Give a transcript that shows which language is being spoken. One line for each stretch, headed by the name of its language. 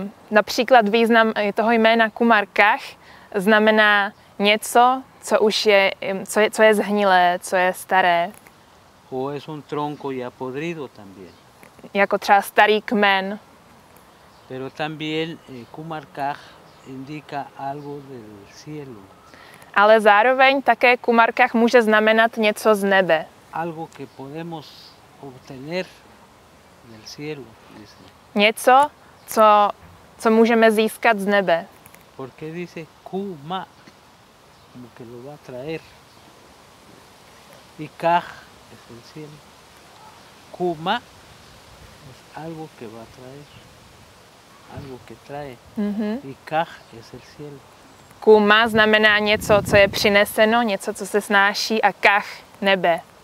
Czech: Například význam toho jména Kumarkaj znamená něco, co je zhnilé, co je staré.
Spanish: O es un tronco ya podrido también.
Czech: Jako třeba starý kmen.
Spanish: Pero también Kumarkaj indica algo del cielo.
Czech: Ale zároveň také Kumarkaj může znamenat něco z nebe.
Spanish: Algo que podemos obtener del cielo, dice.
Czech: Něco, co můžeme získat z nebe.
Spanish: Porque dice Kuma, como que lo va a traer. Y kaj es el cielo. Kuma es algo que va a traer. Algo que trae. Uh-huh. Y kaj es el cielo.
Czech: Kuma znamená něco, co je přineseno, něco, co se snáší, a kaj nebe.